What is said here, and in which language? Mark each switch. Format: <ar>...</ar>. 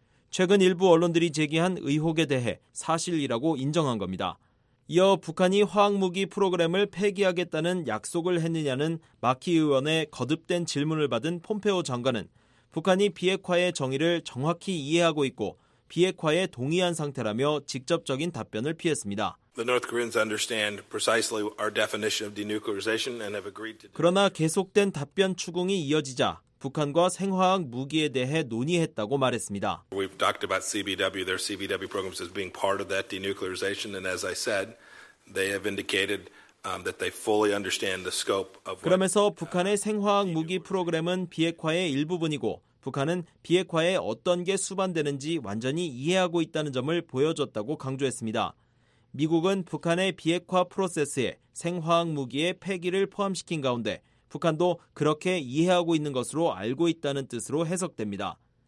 <ko>최근 일부 언론들이 제기한 의혹에 대해 사실이라고 인정한 겁니다. 이어 북한이 화학무기 프로그램을 폐기하겠다는 약속을 했느냐는 마키 의원의 거듭된 질문을 받은 폼페오 장관은 북한이 비핵화의 정의를 정확히 이해하고 있고 비핵화에 동의한 상태라며 직접적인 답변을 피했습니다.</ko> <en>The North Koreans understand precisely our definition of denuclearization and have agreed to.</en> <ko>그러나 계속된 답변 추궁이 이어지자 북한과 생화학 무기에 대해 논의했다고 말했습니다.</ko> <en>We've talked about CBW. Their CBW programs as being part of that denuclearization, and as I said, they have indicated that they fully understand the scope of.</en> <ko>그러면서 북한의 생화학 무기 프로그램은 비핵화의 일부분이고 북한은 비핵화에 어떤 게 수반되는지 완전히 이해하고 있다는 점을 보여줬다고 강조했습니다. 미국은 북한의 비핵화 프로세스에 생화학 무기의 폐기를 포함시킨 가운데 북한도 그렇게 이해하고 있는 것으로 알고 있다는 뜻으로 해석됩니다.</ko>